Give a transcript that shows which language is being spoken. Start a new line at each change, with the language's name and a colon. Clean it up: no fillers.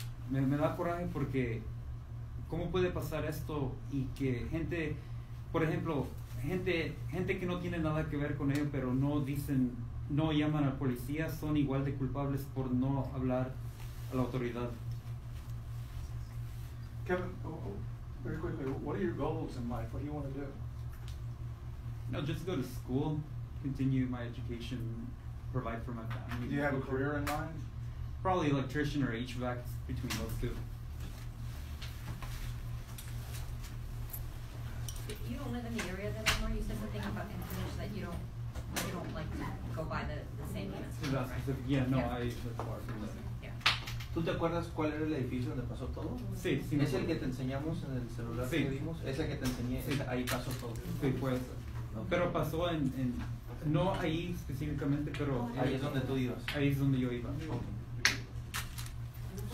Spanish: Me da coraje porque ¿cómo puede pasar esto y que gente, por ejemplo, gente que no tiene nada que ver con ello, pero no dicen, no llaman a la policía, son igual de culpables por no hablar a la autoridad?
English: Kevin, very quickly, what are your goals in life? What do you want to do? No, just go to school, continue my education, provide for my family. Do you have a career in mind? Probably electrician or HVAC, between those two. You don't live in the area that I'm on. You said something about information that you don't like to go by the same units. That's far from that.
Spanish: ¿Tú te acuerdas cuál era el edificio donde pasó todo? Sí, sí. ¿Es el que te enseñamos en el celular que vimos? Es el que te enseñé, sí. Ahí pasó todo. Sí, pues. Okay. Pero pasó en no ahí específicamente, pero ahí es donde tú ibas. Ahí es donde yo iba. Okay.